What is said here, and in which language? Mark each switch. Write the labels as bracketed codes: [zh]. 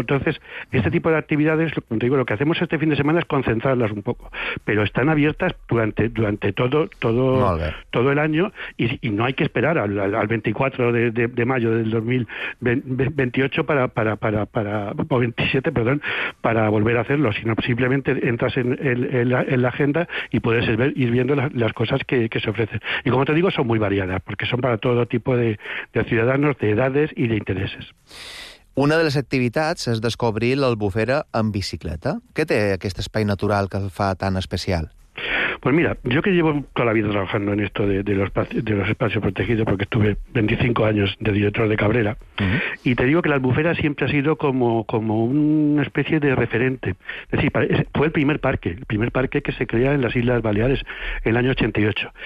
[es] Entonces, este tipo de actividades, digo, lo que hacemos este fin de semana es concentrarlas un poco, pero están abiertas durante todo el año, y no hay que esperar al 24 de mayo del 2028 o 27, perdón, para volver a hacerlo, sino simplemente entras en la agenda y puedes ir viendo las cosas que se ofrecen. Y como te digo, son muy variadas, porque son para todo tipo de ciudadanos, de edades y de intereses. [ca] Una de les activitats és descobrir l'Albufera en bicicleta. Què té aquest espai natural que fa tan especial? [es] Pues mira, yo que llevo toda la vida trabajando en esto de los espacios protegidos, porque estuve 25 años de director de Cabrera, y te digo que la Albufera siempre ha sido como una especie de referente. Es decir, fue el primer parque que se crea en las Islas Baleares en el año 88.